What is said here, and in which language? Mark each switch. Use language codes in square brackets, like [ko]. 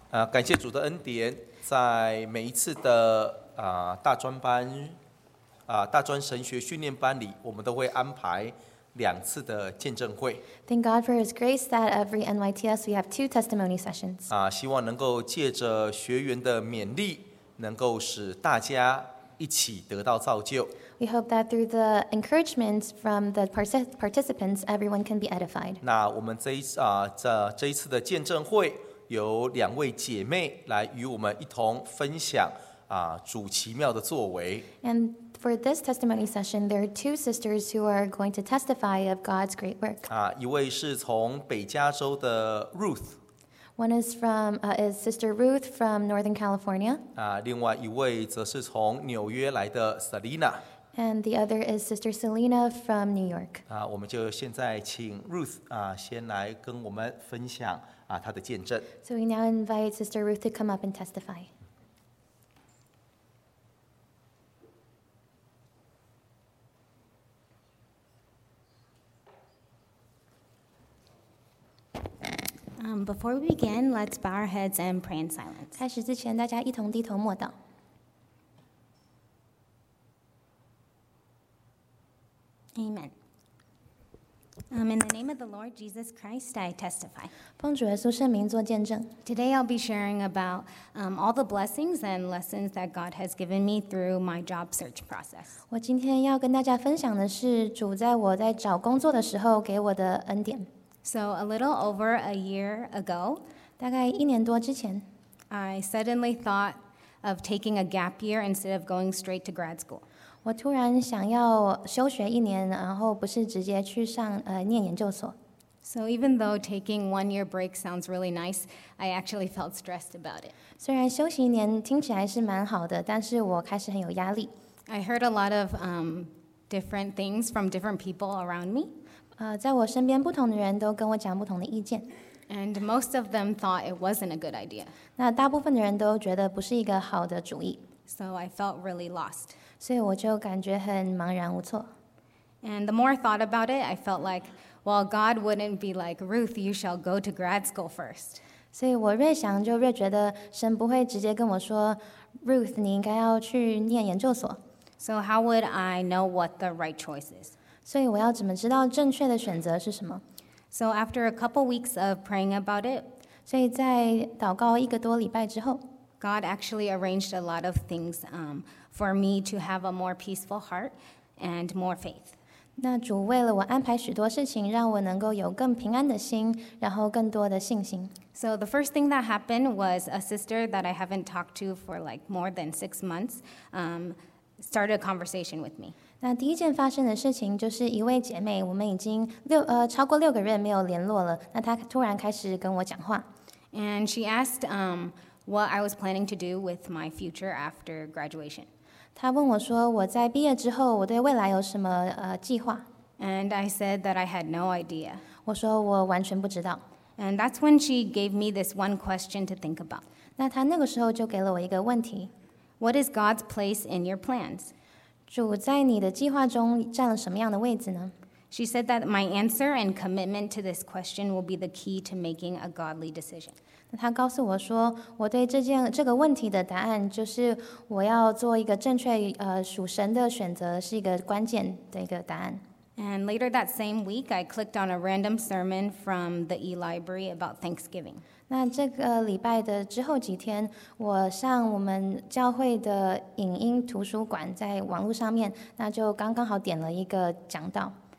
[zh] 感谢主的恩典，在每一次的大专班大专神学训练班里，我们都会安排两次的见证会。 [en] Thank God for His grace that every NYTS we have two testimony sessions. [zh] 希望能够借着学员的勉励，能够使大家一起得到造就。 [en] We hope that through the encouragement from the participants, everyone can be edified. [zh] 那我们这一次的见证会，有两位姐妹来与我们一同分享主奇妙的作为。 [en] And for this testimony session, there are two sisters who are going to testify of God's great work. [zh] 一位是从北加州的 Ruth. [en] One is from is Sister Ruth from Northern California. [zh] 另外一位则是从纽约来的 Selena. [en] And the other is Sister Selena from New York. [zh] 我们就现在请 Ruth 先来跟我们分享她的见证。 [en] So we now invite Sister Ruth to come up and testify. Before we begin, let's bow our heads and pray in silence. [zh] 开始之前，大家一同低头默祷。 [en] Amen. In the name of the Lord Jesus Christ, I testify. [zh] 奉主耶稣圣名做见证。 [en] Today I'll be sharing about all the blessings and lessons that God has given me through my job search process. [zh] 我今天要跟大家分享的是主在我在找工作的时候给我的恩典。 [en] So a little over a year ago, [zh] 大概一年多之前, [en] I suddenly thought of taking a gap year instead of going straight to grad school. [zh] 我突然想要休学一年，然后不是直接去上念研究所。 [en] So even though taking 1 year break sounds really nice, I actually felt stressed about it. [zh] 虽然休息一年听起来是蛮好的，但是我开始很有压力。 [en] I heard a lot of different things from different people around me. [zh] 在我身边不同的人都跟我讲不同的意见。 [en] And most of them thought it wasn't a good idea. [zh] 那大部分的人都觉得不是一个好的主意。 [en] So I felt really lost. [zh] 所以我就感觉很茫然无措。 [en] And the more I thought about it, I felt like, well, God wouldn't be like, Ruth, you shall go to grad school first. [zh] 所以我越想就越觉得神不会直接跟我说 ,Ruth, 你应该要去念研究所。 [en] So how would I know what the right choice is? [zh] 所以我要怎么知道正确的选择是什么? [en] So after a couple weeks of praying about it, [zh] 所以在祷告一个多礼拜之后, [en] God actually arranged a lot of things for me to have a more peaceful heart and more faith. [zh] 那主为了我安排许多事情让我能够有更平安的心然后更多的信心。 [en] So the first thing that happened was a sister that I haven't talked to for like more than 6 months started a conversation with me. [zh] 那第一件发生的事情就是一位姐妹，我们已经超过六个月没有联络了。那她突然开始跟我讲话。 [en] And she asked what I was planning to do with my future after graduation. [zh] 她问我说我在毕业之后我对未来有什么计划。 [en] And I said that I had no idea. [zh] 我说我完全不知道。 [en] And that's when she gave me this one question to think about. [zh] 那她那个时候就给了我一个问题。 [en] What is God's place in your plans? [zh] 主在你的计划中占了什么样的位置呢? [en] She said that my answer and commitment to this question will be the key to making a godly decision. [zh] 她告诉我说,我对这个问题的答案就是我要做一个正确属神的选择是一个关键的一个答案。 [en] And later that same week, I clicked on a random sermon from the e-library about Thanksgiving. [zh] 那这个礼拜的之后几天，我上我们教会的影音图书馆在网络上面，那就刚刚好点了一个讲道。